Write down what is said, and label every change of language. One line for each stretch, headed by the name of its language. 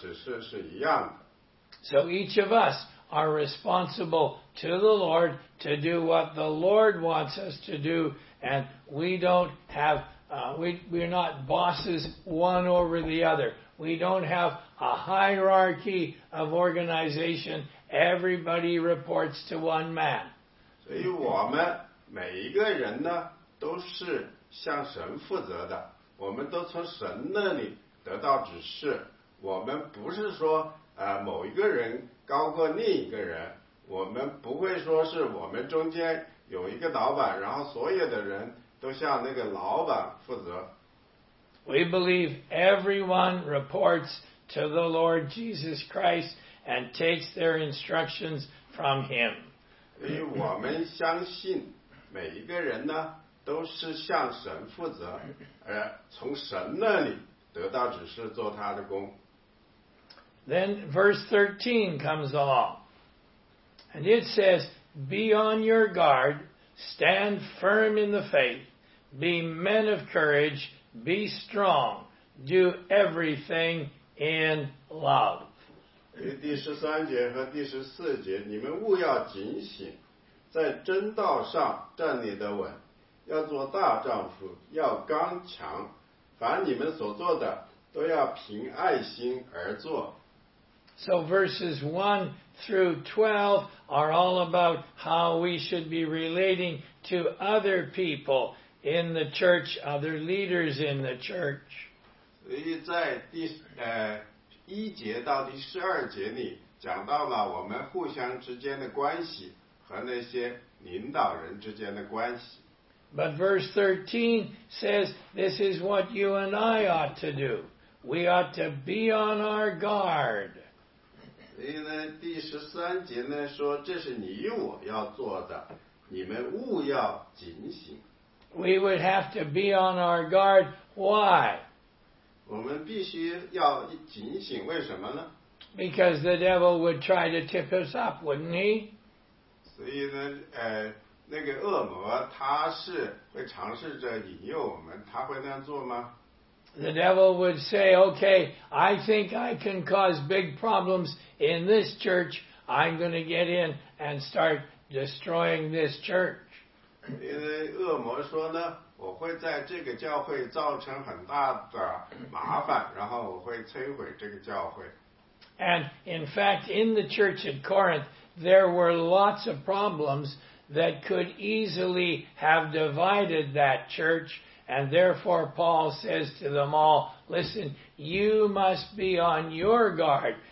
Chinese: 所以保罗呢，他就说呢，那个亚波罗是一个很好的人，他从神那里得到了指示，就跟我从神那里得到的指示是一样的。
English: So each of us are responsible to the Lord to do what the Lord wants us to do, and we don't have we're not bosses one over the other. We don't have a hierarchy of organization. Everybody reports to one man.
Chinese: 所以我们每一个人呢，都是向神负责的。我们都从神那里得到指示。我们不是说某一个人高过另一个人。我们不会说是我们中间有一个老板，然后所有的人都向那个老板负责。
English: We believe everyone reports to the Lord Jesus Christ. And takes their instructions from him.
Chinese: 因为我们相信每一个人呢都是向神负责，而从神那里得到指示做他的工。
English: Then verse 13 comes along, and it says, "Be on your guard, stand firm in the faith, be men of courage, be strong, do everything in love."
Chinese: 第十三节和第十四节，你们务要警醒，在真道上站立得稳，要做大丈夫，要刚强，凡你们所做的，都要凭爱心而做。
English: So verses 1 through 12 are all about how we should be relating to other people in the church, other leaders in the church.
Chinese: 所以在第一节到第十二节里讲到了我们互相之间的关系和那些领导人之间的关系。
English: But verse 13 says this is what you and I ought to do. We ought to be on our guard.
Chinese: 所以呢，第十三节呢说，这是你我要做的，你们务要警醒。
English: We would have to be on our guard. Why?
Chinese: 我们必须要警醒，为什么呢？
English: Because the devil would try to tip us up, wouldn't he?
Chinese: 所以呢，那个恶魔他是会尝试着引诱我们，他会那样做吗？
English: The devil would say, okay, I think I can cause big problems in this church. I'm going to get in and start destroying this church.
Chinese: 因为恶魔说呢，我会在这个教会造成很大的麻烦，然后我会摧毁这个教会。
English: And in fact, in the church at Corinth, there were lots of problems that could easily have divided that church, and therefore Paul says to them all, listen, you must be on your guard.